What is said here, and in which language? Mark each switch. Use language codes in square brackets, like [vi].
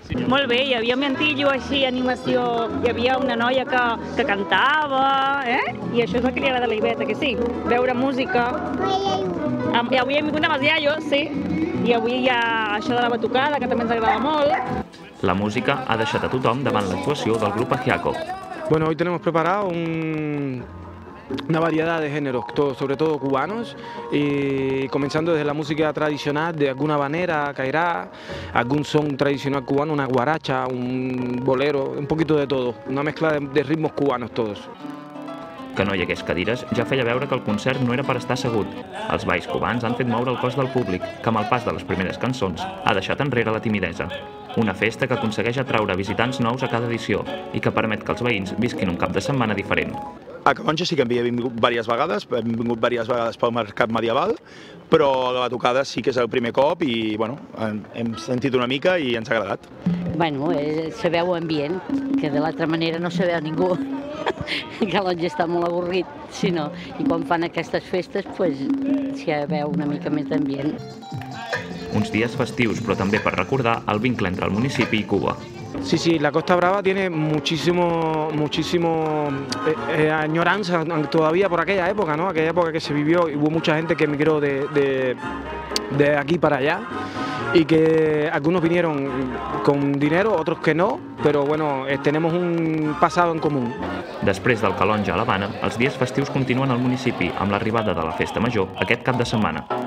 [ca] Molt bé, hi havia mentillo així, animació, hi havia una noia que cantava, eh? I això és el que li agrada a la Iveta, que sí, veure música. I avui hem vingut amb els iaios, sí, i avui hi ha això de la batucada, que també ens agrada molt. La música ha deixat a tothom davant l'actuació del grup Ajiaco. [es] Bueno, hoy tenemos preparado una variedad de géneros, sobre todo cubanos, y comenzando desde la música tradicional de alguna habanera, caerá, algún son tradicional cubano, una guaracha, un bolero, un poquito de todo, una mezcla de ritmos cubanos todos. [ca] Que no hi hagués cadires ja feia veure que el concert no era per estar assegut. Els balls cubans han fet moure el cos del públic, que amb el pas de les primeres cançons ha deixat enrere la timidesa. Una festa que aconsegueix atraure visitants nous a cada edició i que permet que els veïns visquin un cap de setmana diferent. A Calonge sí que hem vingut diverses vegades, pel mercat medieval, però la batucada sí que és el primer cop i bueno, hem sentit una mica i ens ha agradat. Bueno, se veu ambient, que de l'altra manera no se veu ningú. Calonge està molt avorrit, si no. I quan fan aquestes festes, pues, s'hi veu una mica més d'ambient. Uns dies festius, però també per recordar el vincle entre el municipi i Cuba. [es] Sí, sí, la Costa Brava tiene muchísimo, muchísimo añoranza todavía por aquella época, ¿no? Aquella época que se vivió y hubo mucha gente que emigró de aquí para allá y que algunos vinieron con dinero, otros que no, pero bueno, tenemos un pasado en común. [ca] Després del Calonge a l'Havana, els dies festius continuen al municipi amb l'arribada de la Festa Major aquest cap de setmana.